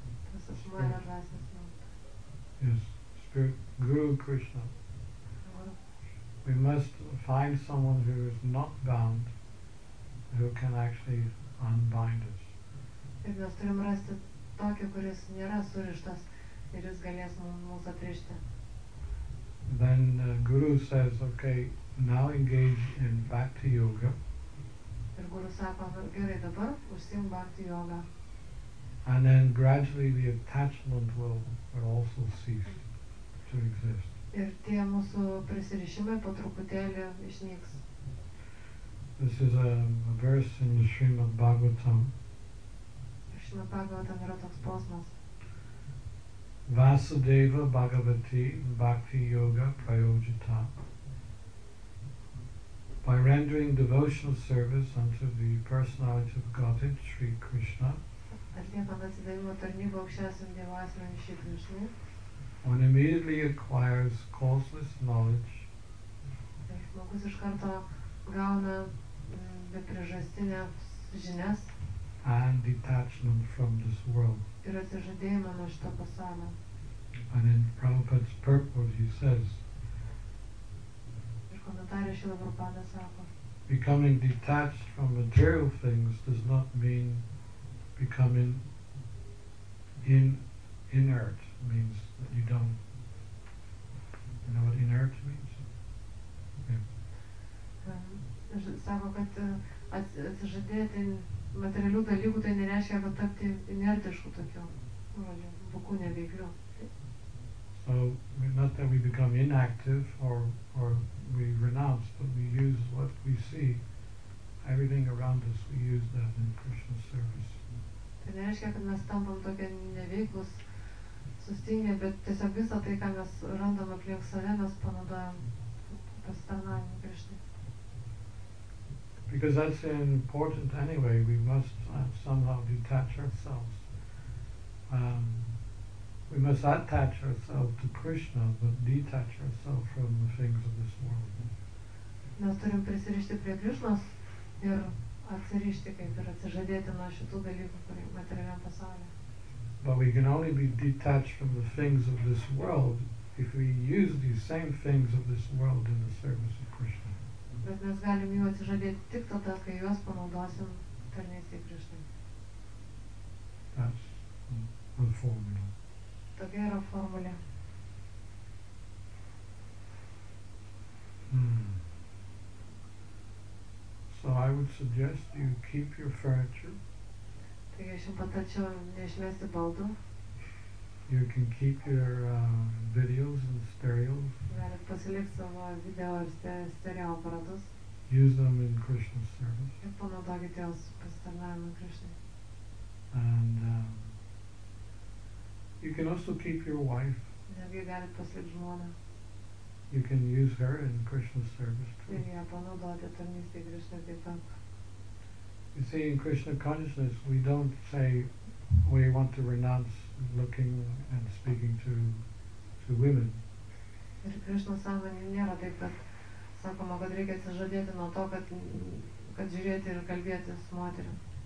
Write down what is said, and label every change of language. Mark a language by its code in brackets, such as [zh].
[lt] Tas asmuo yra dvasinis mokytojas. [en] Yes, spirit guru Krishna. We must find someone who is not bound, who can actually unbind us. [lt] Ir mes turim rasti tokį, kuris nėra surištas ir jis galės mums atrišti. [en] Then Guru says, okay, now engage in Bhakti Yoga. [lt] Ir Guru sako, gerai, dabar užsiim Bhakti Yoga. [en] And then gradually the attachment will also cease to exist. [lt] Ir tie mūsų prisirišimai po truputėlį išnyks. [en] This is a verse in the Srimad Bhagavatam. [lt] Srimad Bhagavatam yra toks posmas. [sa] Vasudeva Bhagavati Bhakti Yoga Prayojita. [en] By rendering devotional service unto the personality of Godhead, Sri Krishna. [lt] Atliekant atsidavimo tarnybą aukščiausiam Dievo asmeniui Sri Krishnai. [en] One immediately acquires causeless knowledge [lt] žmogus iš karto gauna be priežastinę žinias. [en] And detachment from this world. [lt] Ir atsižadėjimą nuo šito pasaulio. [en] And in Prabhupada's purport he says, [lt] ir komentarė Šila Prabhupada sako, [en] becoming detached from material things does not mean becoming inert. Means that you don't. You know what inert means? Yeah. [lt] Sako, kad atsižadėti materialių dalykų, tai nereiškia, kad tapti inertišku tokiu, buku neveikliu. [en] So not that we become inactive or we renounce, but we use what we see, everything around us, we use that in Krishna's service. [lt] Tai nereiškia, kad mes tampam tokie neveiklus, sustingę, bet tiesiog visą tai, ką mes randam aplink save, mes panaudojam pasitarnavimui Krishnai. [en] Because that's important anyway, we must somehow detach ourselves. We must attach ourselves to Krishna, but detach ourselves from the things of this world. [lt] Mes turim prisirišti prie Krishnos ir atsirišti, kaip ir atsižadėti nuo šitų dalykų, kurie materialiam pasaulyje. [en] But we can only be detached from the things of this world if we use these same things of this world in the service of Krishna. [lt] Bet mes galim jų atsižadėti tik tada, kai juos panaudosim tarnystei Krishnai. [en] That's the formula. [lt] Tokia yra formulė. [en] So I would suggest you keep your furniture. [lt] Taigi aš jums patarčiau neišmesti baldų. [en] You can keep your videos and stereos. [lt] Galit pasilikti savo video ir stereo aparatus. [en] Use them in Krishna's service. [lt] Ir panaudokite juos pasitarnavimui Krishnai. [en] And you can also keep your wife. [lt] Netgi galit pasilikti žmoną. [en] You can use her in Krishna's service too. [lt] Ir ją panaudoti tarnystei Krishnai taip pat. [en] You see, in Krishna consciousness, we don't say we want to renounce looking and speaking to women. [lt] Ir Krishna sąmonė nėra taip, kad sakoma, kad reikia atsižadėti nuo to, kad žiūrėti ir kalbėti su moterim.